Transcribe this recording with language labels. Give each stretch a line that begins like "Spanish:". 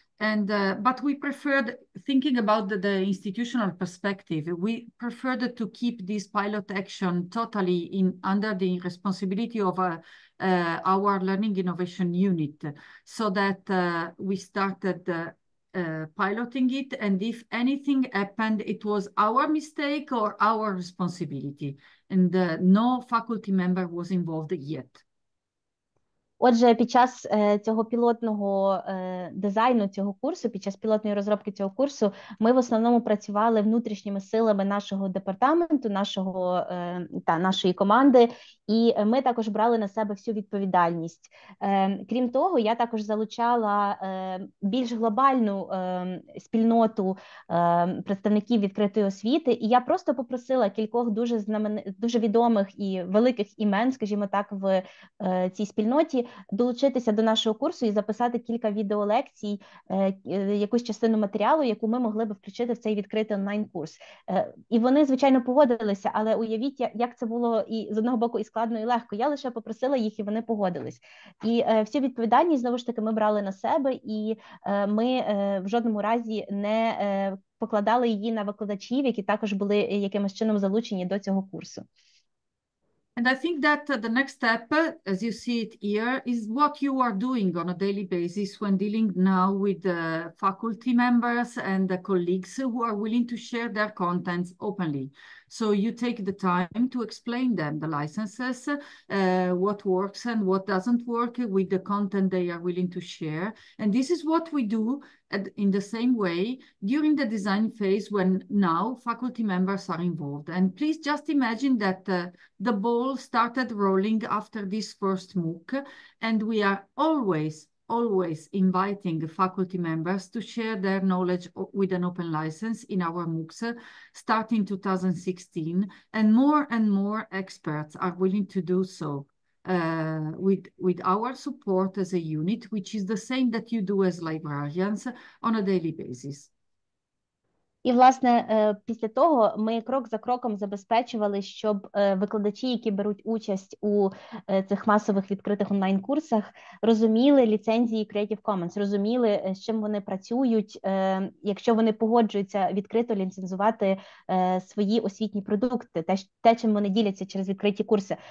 English: And but we preferred, thinking about the institutional perspective, we preferred to keep this pilot action totally in under the responsibility of our learning innovation unit, so that we started piloting it, and if anything happened, it was our mistake or our responsibility, and no faculty member was involved yet.
Ukrainian: Отже, під час цього пілотного дизайну цього курсу, під час пілотної розробки цього курсу, ми в основному працювали внутрішніми силами нашого департаменту, нашої команди, і ми також брали на себе всю відповідальність. Крім того, я також залучала більш глобальну спільноту представників відкритої освіти, і я просто попросила кількох дуже відомих і великих імен, скажімо так, в цій спільноті, долучитися до нашого курсу і записати кілька відеолекцій, якусь частину матеріалу, яку ми могли би включити в цей відкритий онлайн-курс. І вони, звичайно, погодилися, але уявіть, як це було і з одного боку і складно, і легко. Я лише попросила їх, і вони погодились. І всю відповідальність, знову ж таки, ми брали на себе, і ми в жодному разі не покладали її на викладачів, які також були якимось чином залучені до цього курсу.
English: And I think that the next step, as you see it here, is what you are doing on a daily basis when dealing now with the faculty members and the colleagues who are willing to share their contents openly. So you take the time to explain them the licenses, what works and what doesn't work with the content they are willing to share. And this is what we do in the same way during the design phase when now faculty members are involved. And please just imagine that the ball started rolling after this first MOOC, and we are always, always inviting faculty members to share their knowledge with an open license in our MOOCs starting 2016. And more experts are willing to do so with our support as a unit, which is the same that you do as librarians on a daily basis.
Ukrainian: І, власне, після того ми крок за кроком забезпечували, щоб викладачі, які беруть участь у цих масових відкритих онлайн-курсах, розуміли ліцензії Creative Commons, розуміли, з чим вони працюють, якщо вони погоджуються відкрито ліцензувати свої освітні продукти, те, чим вони діляться через відкриті курси.